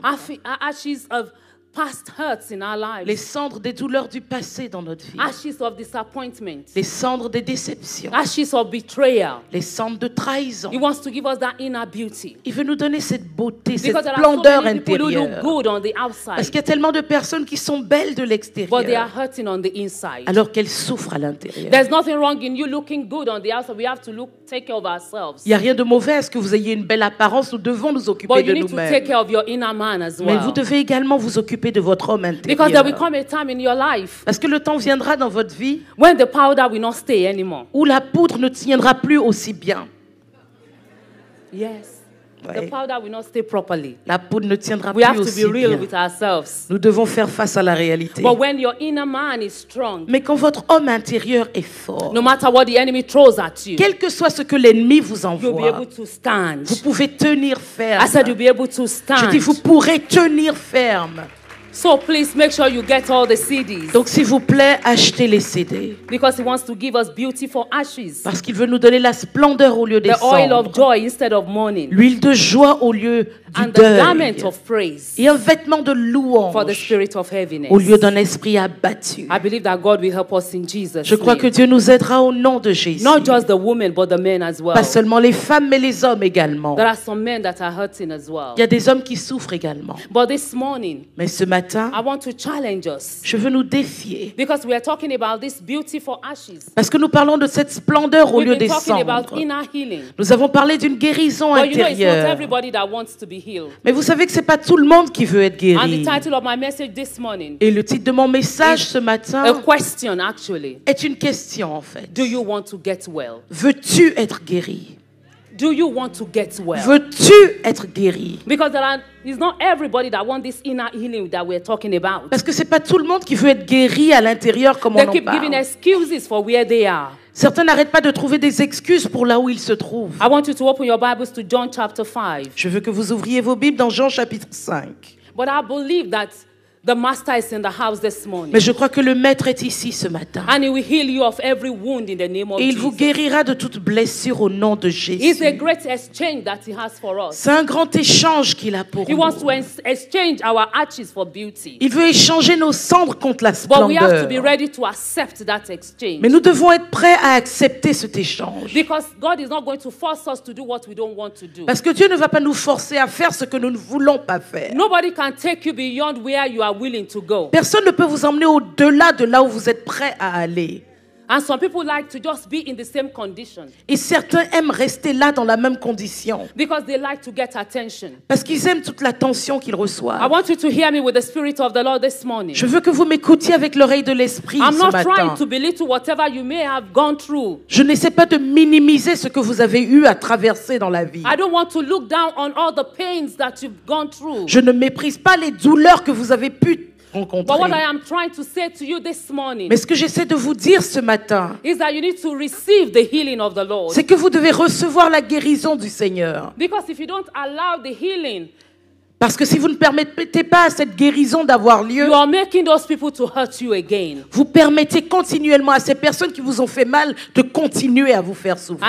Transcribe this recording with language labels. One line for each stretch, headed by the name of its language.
English: Our ashes of past hurts in our lives.
French: Les cendres des douleurs du passé dans notre vie.
English: Ashes of disappointment.
French: Les cendres des déceptions.
English: Ashes of betrayal.
French: Les cendres de trahison.
English: He wants to give us that inner beauty.
French: Il veut nous donner cette beauté,
English: because
French: cette splendeur intérieure.
English: Who look good on the outside.
French: Parce qu'il y a tellement de personnes qui sont belles de l'extérieur.
English: But they are hurting on the inside.
French: Alors qu'elles souffrent à l'intérieur.
English: There's nothing wrong in you looking good on the outside. We have to look take care of ourselves.
French: Il y a rien de mauvais à ce que vous ayez une belle apparence. Nous devons nous occuper
English: But
French: de nous-mêmes.
English: But you need to take care of your inner man as well.
French: Mais vous devez également vous occuper de votre homme intérieur.
English: Because there will come a time in your life.
French: Parce que le temps viendra dans votre vie.
English: When the powder will not stay anymore.
French: Où la poudre ne tiendra plus aussi bien.
English: Yes.
French: Ouais.
English: The powder will not stay properly.
French: La poudre ne tiendra
English: we
French: plus aussi bien.
English: We have to be real with ourselves.
French: Nous devons faire face à la réalité.
English: But when your inner man is strong.
French: Mais quand votre homme intérieur est fort.
English: No matter what the enemy throws at you.
French: Quel que soit ce que l'ennemi vous envoie.
English: You'll be able to stand.
French: Vous pouvez tenir ferme.
English: I said you'll be able to stand.
French: Je dis vous pourrez tenir ferme.
English: So please make sure you get all the CDs.
French: Donc s'il vous plaît, achetez les CD.
English: Because he wants to give us beauty for ashes.
French: Parce qu'il veut nous donner la splendeur au lieu des cendres.
English: The oil of joy instead of mourning.
French: L'huile de joie au lieu du
English: and
French: deuil.
English: The garment of praise.
French: Et un vêtement de louange.
English: For the spirit of heaviness.
French: Au lieu d'un esprit abattu.
English: I believe that God will help us in Jesus.
French: Je crois
English: name.
French: Que Dieu nous aidera au nom de Jésus.
English: Not just the women but the men as well.
French: Pas seulement les femmes mais les hommes également.
English: There are some men that are hurting as well.
French: Il y a des hommes qui souffrent également.
English: But this morning.
French: Mais ce matin.
English: I want to challenge us.
French: Je veux nous défier.
English: Because we are talking about this beauty for ashes.
French: Parce que nous parlons de cette splendeur au
English: We've
French: lieu des cendres.
English: We've been talking about inner healing.
French: Nous avons parlé d'une guérison
English: But
French: intérieure.
English: But you know, it's not everybody that wants to be healed.
French: Mais vous savez que c'est pas tout le monde qui veut être guéri.
English: And the title of my message this morning.
French: Et le titre de mon message ce matin.
English: A question, actually.
French: Est une question en fait.
English: Do you want to get well?
French: Veux-tu être guéri?
English: Do you want to get well?
French: Veux-tu être guéri?
English: Because there are, it's not everybody that wants this inner healing that we're talking about.
French: Parce que c'est pas tout le monde qui veut être guéri à l'intérieur comme
English: they
French: on en
English: parle. They keep giving excuses for where they are.
French: Certains n'arrêtent pas de trouver des excuses pour là où ils se trouvent.
English: I want you to open your Bibles to John chapter 5.
French: Je veux que vous ouvriez vos Bibles dans Jean chapitre 5.
English: But I believe that The master is in the house this morning.
French: Mais je crois que le maître est ici ce matin.
English: And he will heal you of every wound in the name of Jesus.
French: Et il vous guérira de toute blessure au nom de Jésus.
English: It's a great exchange that he has for us.
French: C'est un grand échange qu'il a pour
English: he
French: nous.
English: He wants to exchange our ashes for beauty.
French: Il veut échanger nos cendres contre la splendeur.
English: But we have to be ready to accept that exchange.
French: Mais nous devons être prêts à accepter cet échange.
English: Because God is not going to force us to do what we don't want to do.
French: Parce que Dieu ne va pas nous forcer à faire ce que nous ne voulons pas faire.
English: Nobody can take you beyond where you are.
French: Personne ne peut vous emmener au-delà de là où vous êtes prêt à aller.
English: And some people like to just be in the same condition.
French: Et certains aiment rester là dans la même condition.
English: Because they like to get attention.
French: Parce qu'ils aiment toute l'attention qu'ils reçoivent.
English: I want you to hear me with the spirit of the Lord this morning.
French: Je veux que vous m'écoutiez avec l'oreille de l'esprit ce matin.
English: I'm not trying to belittle whatever you may have gone through.
French: Je n'essaie pas de minimiser ce que vous avez eu à traverser dans la vie.
English: I don't want to look down on all the pains that you've gone through.
French: Je ne méprise pas les douleurs que vous avez pu rencontrer.
English: But what I am trying to say to you this morning,
French: mais ce que j'essaie de vous dire ce matin,
English: is that you need to receive the healing of the Lord.
French: C'est que vous devez recevoir la guérison du Seigneur.
English: Because if you don't allow the healing,
French: parce que si vous ne permettez pas à cette guérison d'avoir lieu,
English: you are making those people to hurt you again.
French: Vous permettez continuellement à ces personnes qui vous ont fait mal de continuer à vous faire souffrir.